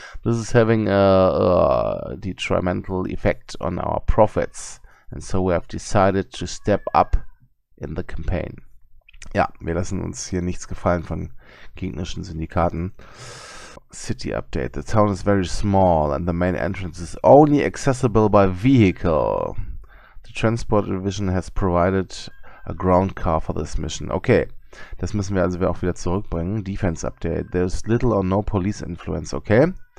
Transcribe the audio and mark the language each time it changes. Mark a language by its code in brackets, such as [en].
[en] This is having a detrimental effect on our profits. And so we have decided to step up in the campaign. [de] Ja, wir lassen uns hier nichts gefallen von gegnerischen Syndikaten. [en] City update. The town is very small and the main entrance is only accessible by vehicle. The transport division has provided a ground car for this mission. [de] Okay, das müssen wir also auch wieder zurückbringen. [en] Defense update. There's little or no police influence. Okay.